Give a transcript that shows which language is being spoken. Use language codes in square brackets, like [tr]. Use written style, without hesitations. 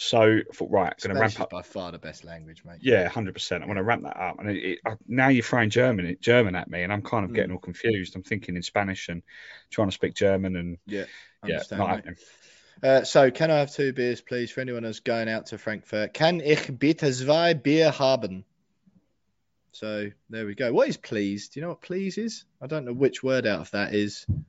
[en] So I thought, right, I'm going to ramp up. By far the best language, mate. Yeah, 100%. I want to ramp that up. And now you're throwing German at me, and I'm kind of getting all confused. I'm thinking in Spanish and trying to speak German. And So can I have two beers, please, for anyone who's going out to Frankfurt? [de] Can ich bitte zwei Bier haben? [en] So there we go. What is please? Do you know what please is? I don't know which word out of that is.